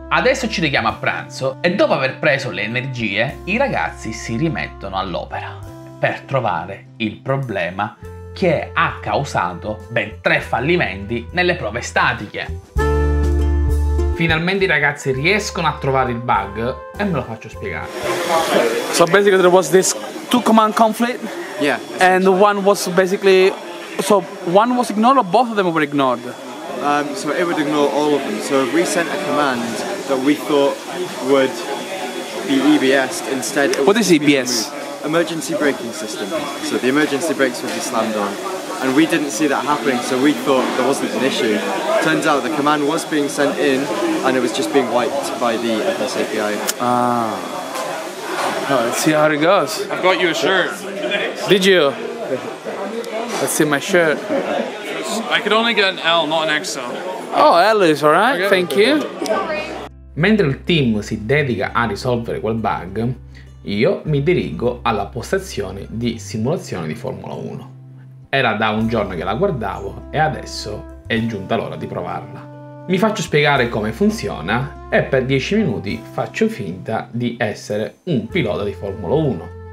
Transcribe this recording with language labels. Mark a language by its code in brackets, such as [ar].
[it] Adesso ci richiamo a pranzo e dopo aver preso le energie, i ragazzi si rimettono all'opera per trovare il problema che ha causato ben tre fallimenti nelle prove statiche. Finalmente i ragazzi riescono a trovare il bug e me lo faccio spiegare. [en] So basically there was this two command conflict. Yeah. And one was basically so one was ignored or both of them were ignored. So it would ignore all of them. So we sent a command that we thought would be EBS'd instead. What is EBS? Emergency braking system. So the emergency brakes would be slammed on. And we didn't see that happening, so we thought there wasn't an issue. Turns out the command was being sent in, and it was just being wiped by the FS API. Ah. Let's see how it goes. I've got you a shirt. Did you? Let's see my shirt. I could only get an L, not an XL. Oh, L is alright, thank you. [it] Mentre il team si dedica a risolvere quel bug, io mi dirigo alla postazione di simulazione di Formula 1. Era da un giorno che la guardavo e adesso è giunta l'ora di provarla. mi faccio spiegare come funziona e per 10 minuti faccio finta di essere un pilota di Formula 1.